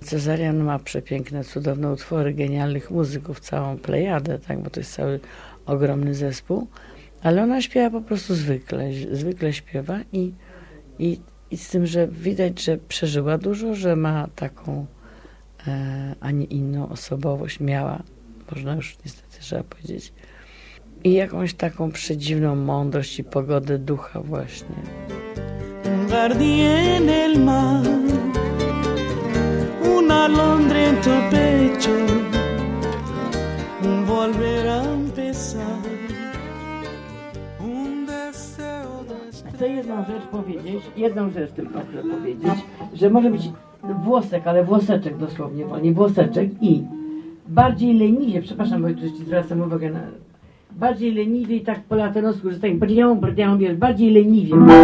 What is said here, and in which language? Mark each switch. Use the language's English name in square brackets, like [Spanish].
[Polish] Cezaria ma przepiękne, cudowne utwory, genialnych muzyków, całą plejadę, tak, bo to jest cały ogromny zespół, ale ona śpiewa po prostu zwykle śpiewa i z tym, że widać, że przeżyła dużo, że ma taką a nie inną osobowość, miała, można już niestety trzeba powiedzieć, i jakąś taką przedziwną mądrość i pogodę ducha właśnie. [Spanish] Un jardín el mar, una Londra en tu pecho, volver a empezar, un deseo de estar. [Polish] Chcę jedną rzecz tylko powiedzieć, że może być włosek, ale włoseczek dosłownie, bo nie włoseczek i bardziej leniwie, przepraszam, bo już ci zwracam uwagę na... Bardziej leniwie i tak po latynosku, że tak wiesz, bardziej leniwie.